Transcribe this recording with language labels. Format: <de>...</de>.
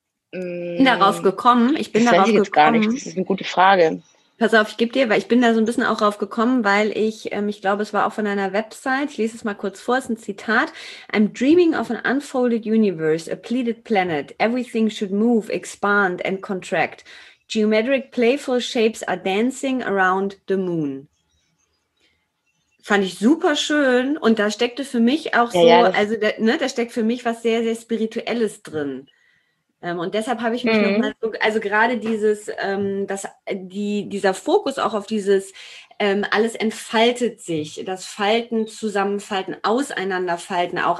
<de>ich bin darauf gekommen. Das ist eine gute Frage. Pass auf, ich gebe dir, weil ich bin da so ein bisschen auch drauf gekommen, weil ich glaube, es war auch von einer Website, ich lese es mal kurz vor, es ist ein Zitat.</de> <en>I'm dreaming of an unfolded universe, a pleated planet. Everything should move, expand and contract. Geometric playful shapes are dancing around the moon.</en> <de>Fand ich super schön und da steckte für mich auch da steckt für mich was sehr, sehr Spirituelles drin. Und deshalb habe ich mich nochmal so, also gerade dieses, dieser Fokus auch auf dieses, alles entfaltet sich, das Falten, Zusammenfalten, Auseinanderfalten auch.</de>